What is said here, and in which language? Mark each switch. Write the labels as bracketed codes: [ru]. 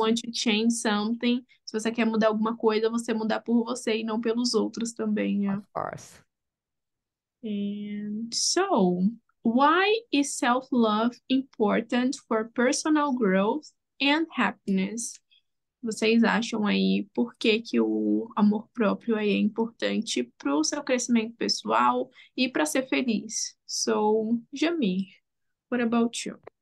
[en] want to change something, [pt] se você quer mudar alguma coisa, você mudar por você e não pelos outros também, [en] yeah? course. And so, why is self-love important for personal growth and happiness? [pt] Vocês acham aí por que que o amor próprio aí é importante para o seu crescimento pessoal e para ser feliz? [en] So, Jamie, what about you?